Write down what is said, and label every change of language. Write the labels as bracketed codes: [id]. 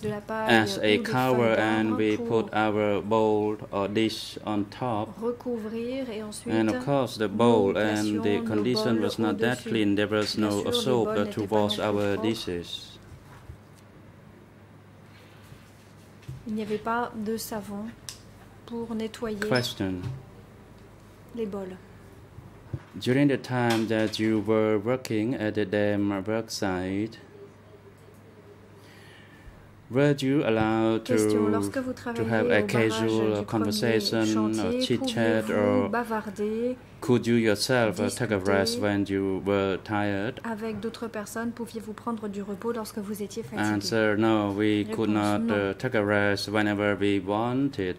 [en] As a cover, and we put our bowl or dish on top. And of course, the bowl and the condition was not that clean. There was no soap to wash our dishes. [fr] Il n'y avait pas de savon pour nettoyer. [en] Question. [fr] Les bols. [en] During the time that you were working at the dam work site, were you allowed to have a casual conversation or chit-chat, or could you yourself take a rest when you were tired? [fr] Avec d'autres personnes, pouviez-vous prendre du repos lorsque vous étiez fatigué? [en] Answer, no, we could not take a rest whenever we wanted.